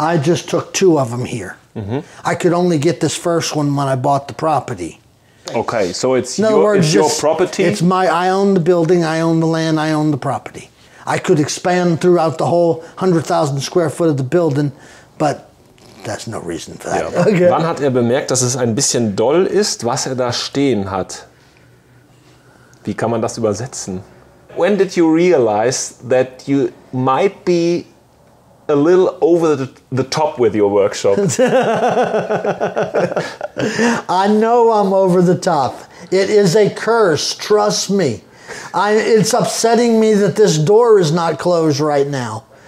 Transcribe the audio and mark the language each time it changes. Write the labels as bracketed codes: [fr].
[en] I just took two of them here. Mm-hmm. I could only get this first one when I bought the property. Okay, so it's, in other words, it's your property? It's my, I own the building, I own the land, I own the property. I could expand throughout the whole 100,000 square foot of the building, but that's no reason for that. Yeah. Okay. [de] Wann hat bemerkt, dass es ein bisschen doll ist, was da stehen hat? Wie kann man das übersetzen? [en] When did you realize that you might be a little over the top with your workshop? I know I'm over the top. It is a curse, trust me. It's upsetting me that this door is not closed right now.